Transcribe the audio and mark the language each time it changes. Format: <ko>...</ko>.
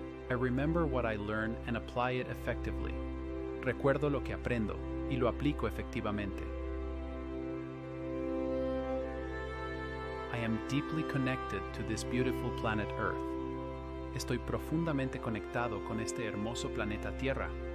<en>I remember what I learn and apply it effectively.</en> <es>Recuerdo lo que aprendo y lo aplico efectivamente.</es> <en>I am deeply connected to this beautiful planet Earth.</en> <es>Estoy profundamente conectado con este hermoso planeta Tierra.</es>